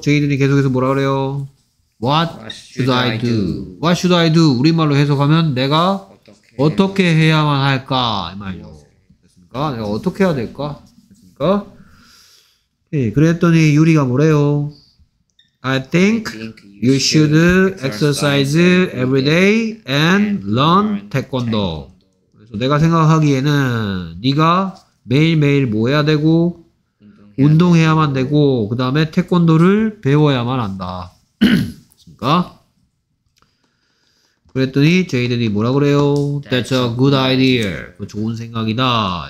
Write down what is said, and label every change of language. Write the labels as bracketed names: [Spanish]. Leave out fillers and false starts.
[Korean] 제이든이 계속해서 뭐라 그래요? [English] What should I do? What should I do? [Korean] 우리말로 해석하면 내가 어떻게 해야만 할까? 이 말이죠. 됐습니까? 내가 어떻게 해야 될까? 됐습니까? 예, 그랬더니 유리가 뭐래요? [English] I think you should exercise every day and learn taekwondo. [Korean] 그래서 내가 생각하기에는 네가 매일매일 뭐 해야 되고 운동해야만 되고 그 다음에 태권도를 배워야만 한다. 그렇습니까? 그랬더니 제이든이 뭐라 그래요? [English] That's a good idea. [Korean] 그거 좋은 생각이다.